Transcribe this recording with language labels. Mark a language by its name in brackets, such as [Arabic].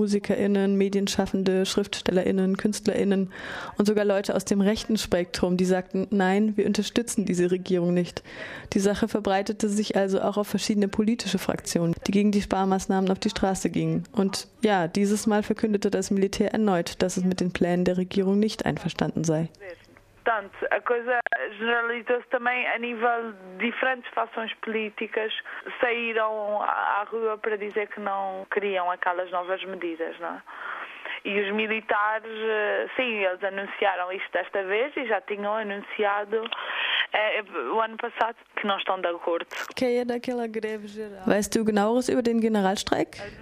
[German] MusikerInnen, Medienschaffende, SchriftstellerInnen, KünstlerInnen und sogar Leute aus dem rechten Spektrum, die sagten, nein, wir unterstützen diese Regierung nicht. Die Sache verbreitete sich also auch auf verschiedene politische Fraktionen, die gegen die Sparmaßnahmen auf die Straße gingen. Und ja, dieses Mal verkündete das Militär erneut, dass es mit den Plänen der Regierung nicht einverstanden sei. [Portuguese] Portanto, a coisa generalizou-se também a nível de diferentes facções políticas saíram à rua para dizer que não queriam aquelas novas medidas, não é? E os militares, sim, eles anunciaram isto desta vez e já tinham anunciado o ano passado que não estão de acordo. Que é daquela greve geral? [German] Weißt du genaueres über den Generalstreik?